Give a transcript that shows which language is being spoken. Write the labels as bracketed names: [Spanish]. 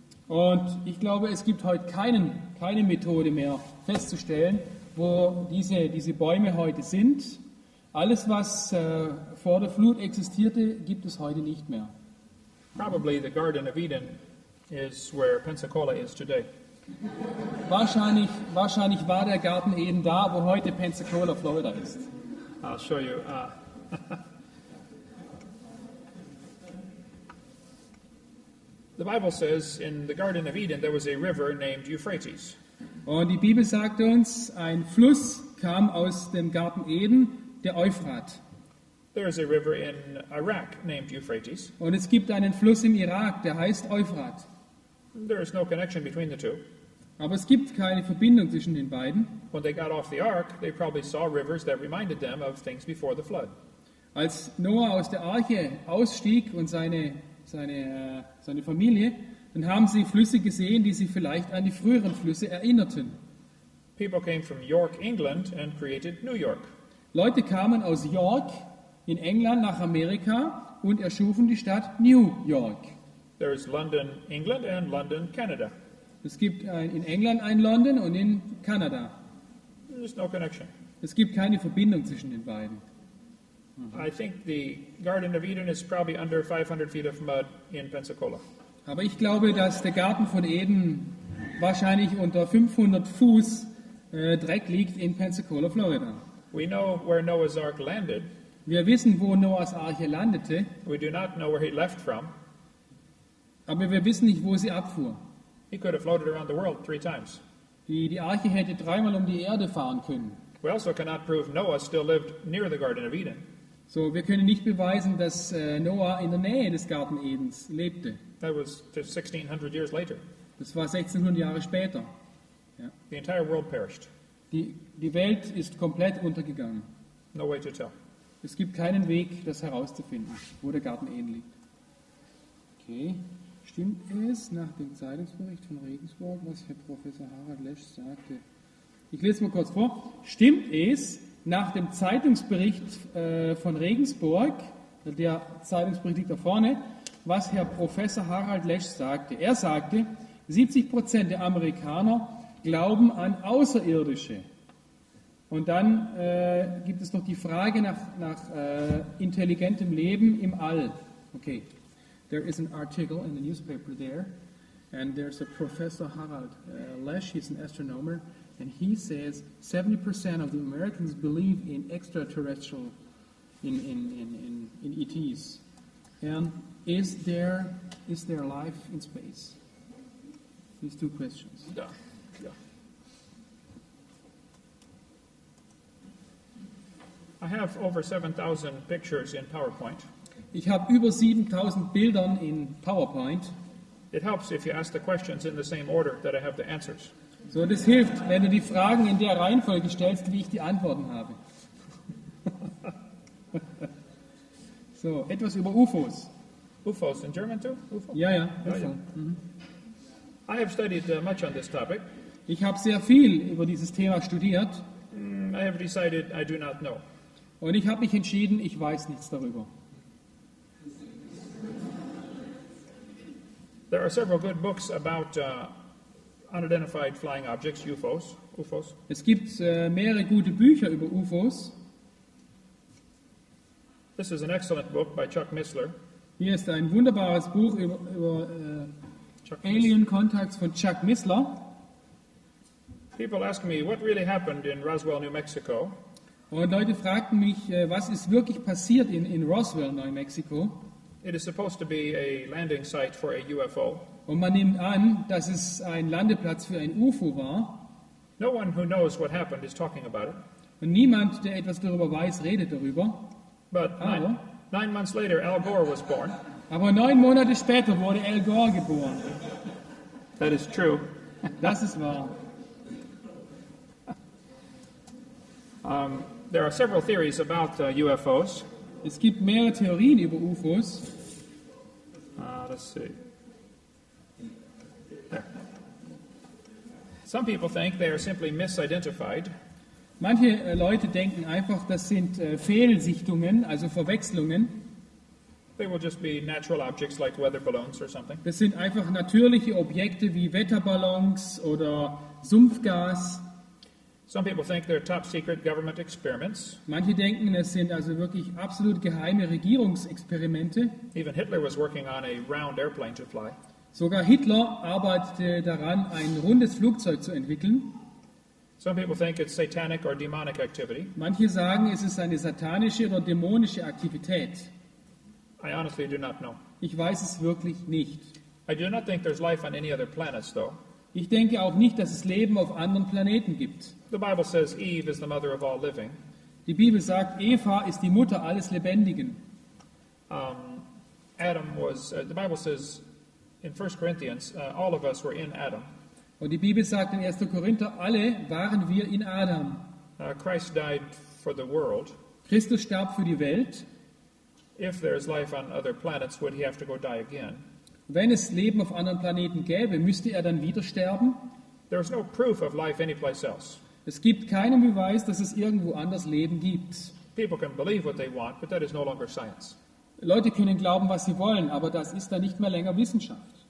[German] Und ich glaube, es gibt heute keine Methode mehr festzustellen, wo diese Bäume heute sind. Alles, was vor der Flut existierte, gibt es heute nicht mehr. [English] Probably the Garden of Eden is where Pensacola is today. [German] Wahrscheinlich war der Garten Eden da, wo heute Pensacola, Florida ist. [English] I'll show you. The Bible says in the Garden of Eden there was a river named Euphrates. [German] Und die Bibel sagte uns, ein Fluss kam aus dem Garten Eden, der Euphrat. [English] There is a river in Iraq named Euphrates. [German] Und es gibt einen Fluss im Irak, der heißt Euphrat. [English] There is no connection between the two. [German] Aber es gibt keine Verbindung zwischen den beiden. [English] When they got off the ark, they probably saw rivers that reminded them of things before the flood. [German] Als Noah aus der Arche ausstieg und seine Familie, dann haben sie Flüsse gesehen, die sie vielleicht an die früheren Flüsse erinnerten. [English] People came from York, England and created New York. [German] Leute kamen aus York in England nach Amerika und erschufen die Stadt New York. [English] There is London, England and London, Canada. [German] Es gibt in England ein London und in Kanada. [English] There's no connection. [German] Es gibt keine Verbindung zwischen den beiden. [English] I think the Garden of Eden is probably under 500 feet of mud in Pensacola. [German] Aber ich glaube, dass der Garten von Eden wahrscheinlich unter 500 Fuß Dreck liegt in Pensacola, Florida. [English] We know where Noah's Ark landed. [German] Wir wissen, wo Noahs Arche landete. [English] We do not know where he left from. [German] Aber wir wissen nicht, wo sie abfuhr. [English] He could have floated around the world three times. [German] Die Arche hätte dreimal um die Erde fahren können. [English] We also cannot prove Noah still lived near the Garden of Eden. [German] So, wir können nicht beweisen, dass Noah in der Nähe des Garten Edens lebte. [English] That was 1600 years later. [German] Das war 1600 Jahre später. Ja. [English] The entire world perished. [German] Die Welt ist komplett untergegangen. [English] No way to tell. [German] Es gibt keinen Weg, das herauszufinden, wo der Garten Eden liegt. Okay. Stimmt es nach dem Zeitungsbericht von Regensburg, was Herr Professor Harald Lesch sagte? Ich lese mal kurz vor. Stimmt es nach dem Zeitungsbericht von Regensburg, der Zeitungsbericht liegt da vorne, was Herr Professor Harald Lesch sagte? Er sagte, 70% der Amerikaner glauben an Außerirdische. Und dann gibt es noch die Frage nach intelligentem Leben im All. Okay. [English] There is an article in the newspaper there, and there's a Professor Harald Lesch, he's an astronomer, and he says 70% of the Americans believe in extraterrestrial, in ETs. And is there life in space? These two questions. Yeah. I have over 7,000 pictures in PowerPoint. [German] Ich habe über 7000 Bilder in PowerPoint. [English] It helps if you ask the questions in the same order that I have the answers. [German] So, das hilft, wenn du die Fragen in der Reihenfolge stellst, wie ich die Antworten habe. So, etwas über UFOs. [English] UFOs in German too? [German] UFO? Ja. [English] UFO. I have studied much on this topic. [German] Ich habe sehr viel über dieses Thema studiert. [English] I have decided I do not know. [German] Und ich habe mich entschieden, ich weiß nichts darüber. [English] There are several good books about unidentified flying objects, UFOs. [German] Es gibt mehrere gute Bücher über UFOs. [English] This is an excellent book by Chuck Missler. [German] Hier ist ein wunderbares Buch über Alien Contacts von Chuck Missler. [English] People ask me what really happened in Roswell, New Mexico. [German] Und Leute fragten mich, was ist wirklich passiert in Roswell, New Mexico? [English] It is supposed to be a landing site for a UFO. [German] Und man nimmt an, dass es ein Landeplatz für ein UFO war. [English] No one who knows what happened is talking about it. [German] Und niemand, der etwas darüber weiß, redet darüber. [English] But nine months later, Al Gore was born. [German] Aber 9 Monate später wurde Al Gore geboren. [English] That is true. [German] Das ist wahr. [English] There are several theories about UFOs. [German] Es gibt mehrere Theorien über UFOs. [English] Let's see. There. Some people think they are simply misidentified. [German] Manche Leute denken einfach, das sind Fehlsichtungen, also Verwechslungen. [English] They will just be natural objects like weather balloons or something. [German] Das sind einfach natürliche Objekte wie Wetterballons oder Sumpfgas. [English] Some people think they're top secret government experiments. [German] Manche denken, es sind also wirklich absolut geheime Regierungsexperimente. [English] Even Hitler was working on a round airplane to fly. [German] Sogar Hitler arbeitete daran, ein rundes Flugzeug zu entwickeln. [English] Some people think it's satanic or demonic activity. [German] Manche sagen, es ist eine satanische oder dämonische Aktivität. [English] I honestly do not know. [German] Ich weiß es wirklich nicht. [English] I do not think there's life on any other planets, though. [German] Ich denke auch nicht, dass es Leben auf anderen Planeten gibt. [English] The Bible says Eve is the mother of all living. [German] Die Bibel sagt, Eva ist die Mutter alles Lebendigen. [English] Adam was. The Bible says in 1 Corinthians, all of us were in Adam. [German] Und die Bibel sagt in 1. Korinther, alle waren wir in Adam. [English] Christ died for the world. [German] Christus starb für die Welt. [English] If there is life on other planets, would he have to go die again? [German] Wenn es Leben auf anderen Planeten gäbe, müsste dann wieder sterben? [English] There is no proof of life anyplace else. [German] Es gibt keinen Beweis, dass es irgendwo anders Leben gibt. [English] People can believe what they want, but that is no longer science. [German] Leute können glauben, was sie wollen, aber das ist dann nicht mehr länger Wissenschaft.